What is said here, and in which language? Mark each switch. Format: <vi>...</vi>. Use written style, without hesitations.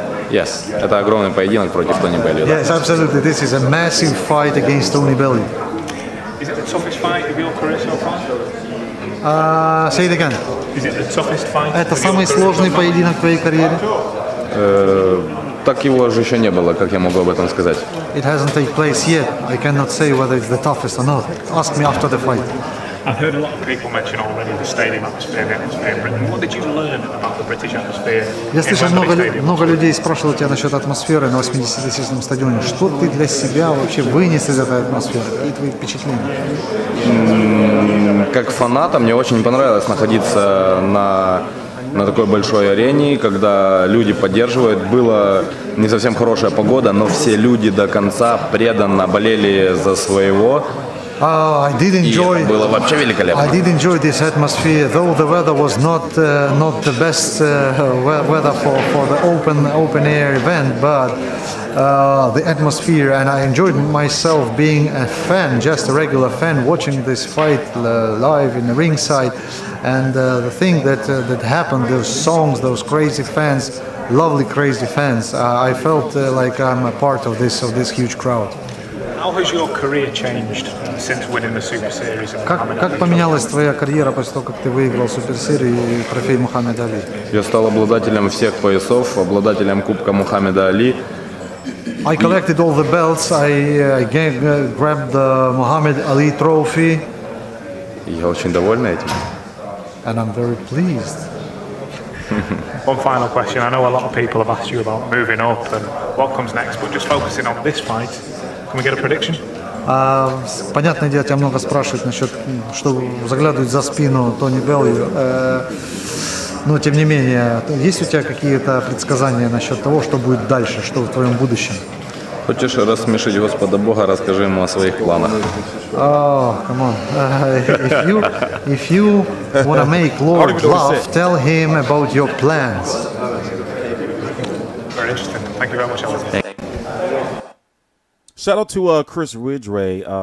<en>Yes,</en> <ru>это огромный поединок против Тони Бэллю.</ru> <en>Yes, absolutely. This is a massive fight against Tony Bellew. Is it the toughest fight of your career so far? Say it again. Is it the toughest fight?</en> <ru>Это самый сложный поединок в твоей карьере? Так его же еще не было, как я могу об этом сказать?</ru> <en>It hasn't taken place yet. I cannot say whether it's the toughest or not. Ask me after the fight. I've heard a lot of people mention already the stadium atmosphere in Britain. What did you learn about the British atmosphere?</en> <ru>Я слышал много людей спрашивали тебя насчет атмосферы на 80-тысячном стадионе. Что ты для себя вообще вынес из этой атмосферы и твои впечатления? Как фаната мне очень понравилось находиться на такой большой арене, когда люди поддерживают. Была не совсем хорошая погода, но все люди до конца преданно болели за своего.</ru> <en>I did enjoy this atmosphere, though the weather was not the best weather for the open air event, but the atmosphere, and I enjoyed myself being a fan, just a regular fan, watching this fight live in the ringside, and the thing that happened, those songs, those crazy fans, lovely crazy fans, I felt like I'm a part of this huge crowd. How has your career changed since winning the Super Series?</en> <ru>Как поменялась твоя карьера после того, как ты выиграл Super Series и трофей Мухаммеда Али? Я стал обладателем всех поясов, обладателем Кубка Мухаммеда Али.</ru> <en>I collected all the belts. I grabbed the Muhammad Ali trophy.</en> <ru>Я очень доволен этим.</ru> <en>And I'm very pleased. One final question. I know a lot of people have asked you about moving up and what comes next, but just focusing on this fight. Can we get a prediction?</en> <ru>Понятное дело, тебя много спрашивают насчет, что заглядывают за спину Тони Беллю. Но тем не менее, есть у тебя какие-то предсказания насчет того, что будет дальше, что в твоем будущем? Хочешь рассмешить Господа Бога, расскажи ему о своих планах.</ru> <en>If you want to make Lord laugh, tell him about your plans. Very interesting. Thank you very much, Alex. Shout out to Chris Ridgway.</en>